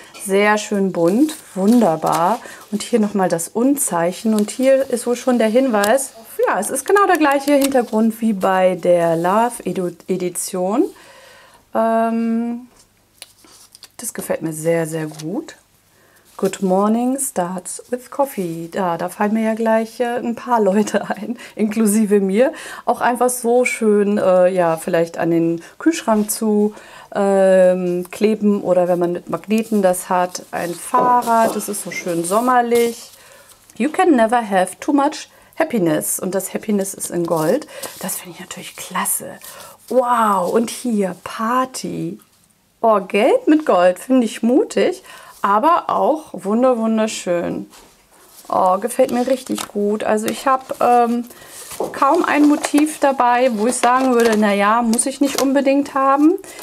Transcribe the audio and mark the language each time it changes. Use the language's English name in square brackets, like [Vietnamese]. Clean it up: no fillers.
[German] Sehr schön bunt, wunderbar. Und hier nochmal das Unzeichen. Und hier ist wohl schon der Hinweis. Ja, es ist genau der gleiche Hintergrund wie bei der Love Edition. Das gefällt mir sehr, sehr gut. [English] Good morning starts with coffee. [German] Da fallen mir ja gleich ein paar Leute ein, inklusive mir. Auch einfach so schön, vielleicht an den Kühlschrank zu kleben oder wenn man mit Magneten das hat, ein Fahrrad, das ist so schön sommerlich. [English] You can never have too much happiness. [German] Und das Happiness ist in Gold. Das finde ich natürlich klasse. Wow, und hier Party. Oh, Gelb mit Gold, finde ich mutig. Aber auch wunderschön. Oh, gefällt mir richtig gut. Also ich habe kaum ein Motiv dabei, wo ich sagen würde, naja, muss ich nicht unbedingt haben.